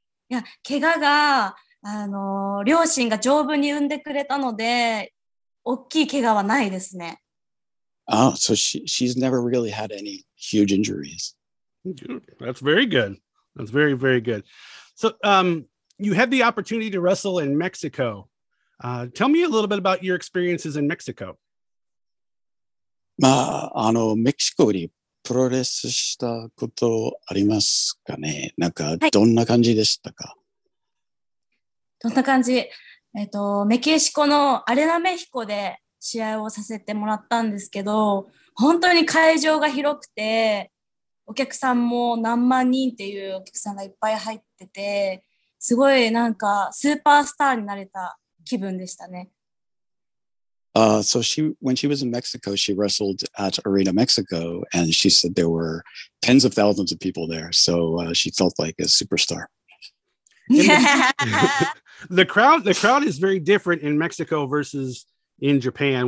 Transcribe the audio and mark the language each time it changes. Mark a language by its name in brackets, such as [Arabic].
[Japanese] いや、怪我が両親が丈夫に産んでくれたので大きい怪我はないですね。 [English] あ、oh, so she's never really had any huge injuries. That's very good. That's very, very good. So, you had the opportunity to wrestle in Mexico. Tell me a little bit about your experiences in Mexico. [Japanese] まあ、メキシコでプロレスしたことありますかね。なんかどんな感じでしたか。どんな感じ。メキシコのアレナメヒコで試合をさせてもらったんですけど、本当に会場が広くて、お客さんも何万人っていうお客さんがいっぱい入ってて、すごいなんかスーパースターになれた気分でしたね。 [English] So she, when she was in Mexico, she wrestled at Arena Mexico, and she said there were tens of thousands of people there, so she felt like a superstar. The crowd is very different in Mexico versus in Japan.